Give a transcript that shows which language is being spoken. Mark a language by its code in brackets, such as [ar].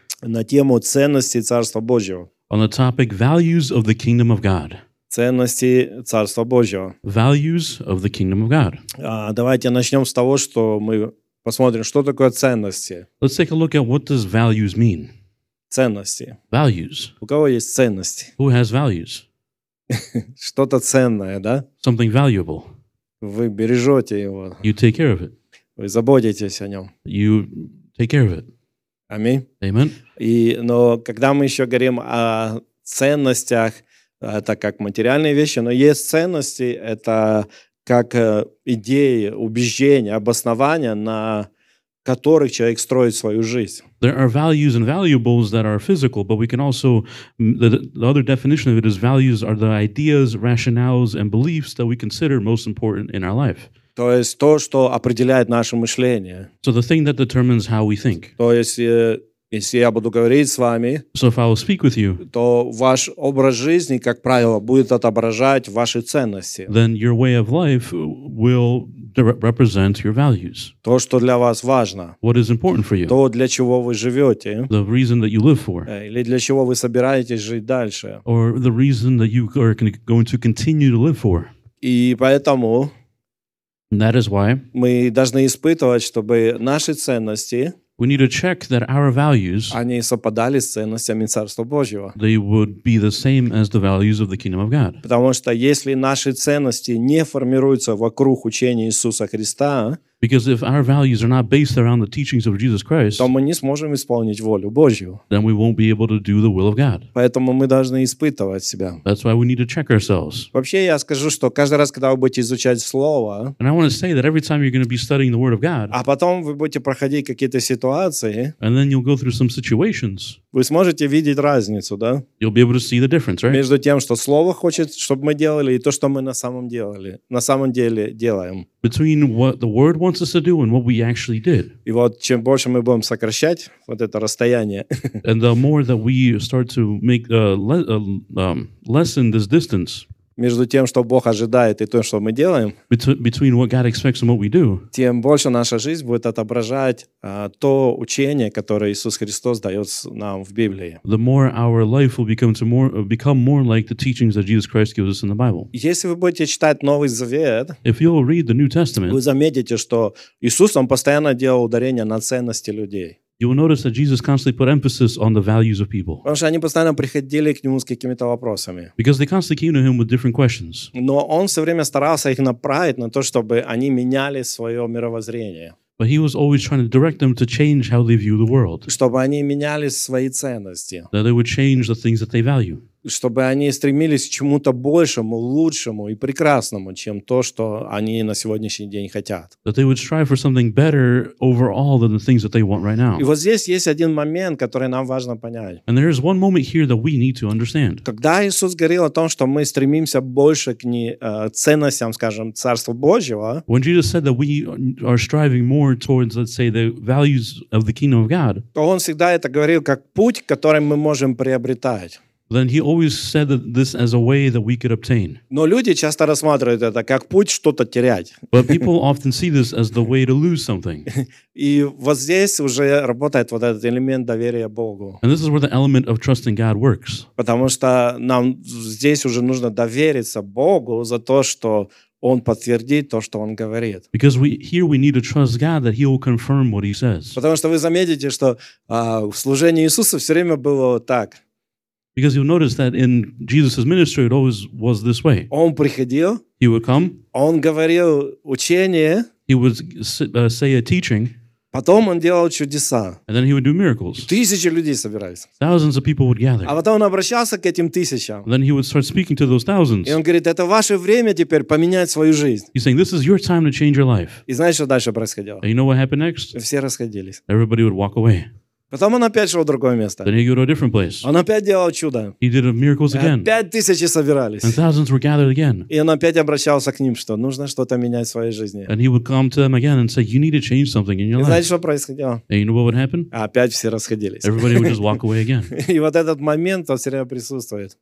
[ru] На тему ценности Царства Божьего. [en] On the topic values of the kingdom of God. [ru] Ценности Царства Божьего. [en] Values of the kingdom of God. [ru] Давайте начнем с того, что мы посмотрим, что такое ценности. [en] Let's take a look at what does values mean. [ru] Ценности. [en] Values. [ru] У кого есть ценности? [en] Who has values? [ru] Что-то ценное, да? [en] Something valuable. [ru] Вы бережете его. [en] You take care of it. [ru] Вы заботитесь о нем. [en] You take care of it. [ru] Аминь. [en] Amen. [ru] Но когда мы еще говорим о ценностях, это как материальные вещи, но есть ценности, это как идеи, убеждения, обоснования, на которых человек строит свою жизнь. [en] There are values and valuables that are physical, but we can also, the other definition of it is values are the ideas, rationales and beliefs that we consider most important in our life. [ru] То есть то, что определяет наше мышление. [en] So the thing that determines how we think. [ru] То есть если я буду говорить с вами, [en] so if I will speak with you, [ru] то ваш образ жизни, как правило, будет отображать ваши ценности. [en] Then your way of life will represent your values. [ru] То, что для вас важно. [en] What is important for you. [ru] То, для чего вы живете. [en] The reason that you live for. [ru] Или для чего вы собираетесь жить дальше. [en] Or the reason that you are going to continue to live for. [ru] И поэтому... [en] And that is why [ru] мы должны испытывать, чтобы наши ценности, [en] we need to check that our values, [ru] они совпадали с ценностями Царства Божьего. [en] They would be the same as the values of the kingdom of God. [ru] Потому что если наши ценности не формируются вокруг учения Иисуса Христа, [en] because if our values are not based around the teachings of Jesus Christ, [ru] то мы не сможем исполнить волю Божью. [en] Then we won't be able to do the will of God. [ru] Поэтому мы должны испытывать себя. [en] That's why we need to check ourselves. [ru] Вообще, я скажу, что каждый раз, когда вы будете изучать Слово, [en] and I want to say that every time you're going to be studying the Word of God, [ru] а потом вы будете проходить какие-то ситуации, [en] and then you'll go through some situations, [ru] вы сможете видеть разницу, да? [en] You'll be able to see the difference, right? [ru] Между тем, что Слово хочет, чтобы мы делали, и то, что мы на самом деле делаем. [en] Between what the Word wants us to do and what we actually did. [ru] И вот чем больше мы будем сокращать вот это расстояние. [en] And the more that we start to make lessen this distance. [ru] Между тем, что Бог ожидает и то, что мы делаем. [en] Between what God expects and what we do. [ru] Тем больше наша жизнь будет отображать то учение, которое Иисус Христос дает нам в Библии. [en] The more our life will become more like the teachings that Jesus Christ gives us in the Bible. [ru] Если вы будете читать Новый Завет, [en] if you'll read the New Testament, [ru] вы заметите, что Иисус, Он постоянно делал ударение на ценности людей. [en] You will notice that Jesus constantly put emphasis on the values of people. [ru] Потому что они постоянно приходили к нему с какими-то вопросами. [en] Because they constantly came to him with different questions. [ru] Но он все время старался их направить на то, чтобы они меняли свое мировоззрение. [en] But he was always trying to direct them to change how they view the world. [ru] Чтобы они меняли свои ценности. [en] That they would change the things that they value. [ru] Чтобы они стремились к чему-то большему, лучшему и прекрасному, чем то, что они на сегодняшний день хотят. [en] That they would strive for something better overall than the things that they want right now. [ru] И вот здесь есть один момент, который нам важно понять. [en] And there is one moment here that we need to understand. [ru] Когда Иисус говорил о том, что мы стремимся больше к ценностям, скажем, Царства Божьего, [en] when Jesus said that we are striving more towards, let's say, the values of the kingdom of God, [ru] то Он всегда это говорил как путь, который мы можем приобретать. [en] Then he always said that this as a way that we could obtain. [ru] Но люди часто рассматривают это как путь что-то терять. [en] But people often see this as the way to lose something. [ru] И вот здесь уже работает вот этот элемент доверия Богу. [en] And this is where the element of trusting God works. [ru] Потому что нам здесь уже нужно довериться Богу за то, что Он подтвердит то, что Он говорит. [en] Because here we need to trust God that He will confirm what He says. [ru] Потому что вы заметите, что в служении Иисуса все время было так. [en] Because you'll notice that in Jesus' ministry, it always was this way. [ru] Он приходил, [en] he would come. [ru] Он говорил учение, [en] he would say a teaching. [ru] Потом он делал чудеса. [en] And then he would do miracles. [ru] Тысячи людей собирались. [en] Thousands of people would gather. [ru] А потом он обращался к этим тысячам. [en] And then he would start speaking to those thousands. [ru] И он говорит, это ваше время теперь поменять свою жизнь. [en] He's saying, this is your time to change your life. [ru] И знаешь, что дальше происходило? [en] And you know what happened next? [ru] Все расходились. [en] Everybody would walk away. [ru] Потом он опять шел в другое место. [en] Then he go to a different place. [ru] Он опять делал чудо. [en] He did miracles again. [ru] Опять тысячи собирались. [en] And thousands were gathered again. [ru] И он опять обращался к ним, что нужно что-то менять в своей жизни. [en] And he would come to them again and say, you need to change something in your life. [ru] И знаете, что происходило? [en] And you know what would happen? [ru] Опять все расходились. [en] Everybody would just walk away again. [ru] И вот этот момент, он все время присутствует.